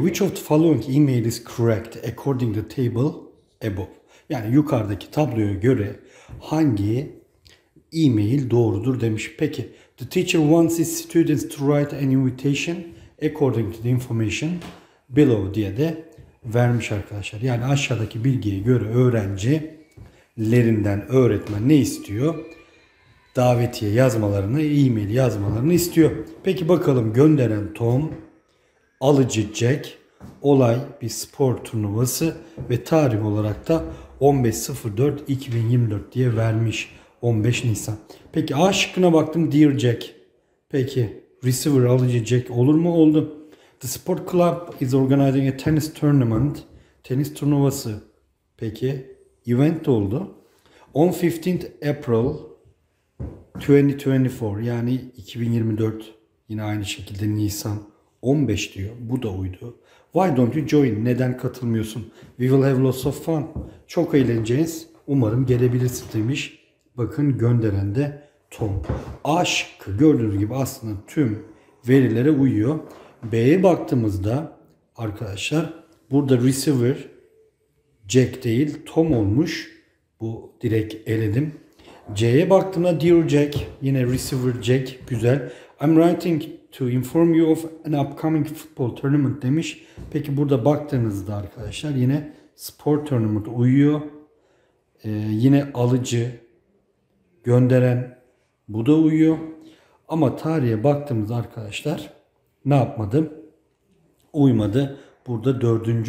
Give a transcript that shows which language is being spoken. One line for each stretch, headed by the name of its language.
English: Which of the following email is correct according to the table above?
Turkish: Yani yukarıdaki tabloya göre hangi e-mail doğrudur demiş. Peki,
English: the teacher wants his students to write an invitation according to the information below
Turkish: diye de vermiş arkadaşlar. Yani aşağıdaki bilgiye göre öğrencilerinden öğretmen ne istiyor? Davetiye yazmalarını, e-mail yazmalarını istiyor. Peki bakalım gönderen Tom, alıcı Jack, olay bir spor turnuvası ve tarih olarak da 15.04.2024 diye vermiş 15 Nisan. Peki A şıkkına baktım, Dear Jack. Peki receiver alıcı Jack olur mu? Oldu.
English: The sport club is organizing a tennis tournament.
Turkish: Tenis turnuvası. Peki event oldu.
English: On 15th April 2024
Turkish: yani 2024 yine aynı şekilde Nisan 15 diyor. Bu da uydu.
English: Why don't you join?
Turkish: Neden katılmıyorsun?
English: We will have lots of fun.
Turkish: Çok eğleneceğiz. Umarım gelebilirsin demiş. Bakın gönderen de Tom. A şıkkı gördüğünüz gibi aslında tüm verilere uyuyor. B'ye baktığımızda arkadaşlar burada receiver Jack değil Tom olmuş. Bu direkt eledim. C'ye baktığımda Dear Jack yine receiver Jack güzel.
English: I'm writing to inform you of an upcoming football tournament
Turkish: demiş. Peki burada baktığınızda arkadaşlar yine spor tournament uyuyor. Yine alıcı gönderen bu da uyuyor. Ama tarihe baktığımızda arkadaşlar ne yapmadı? Uymadı. Burada 4.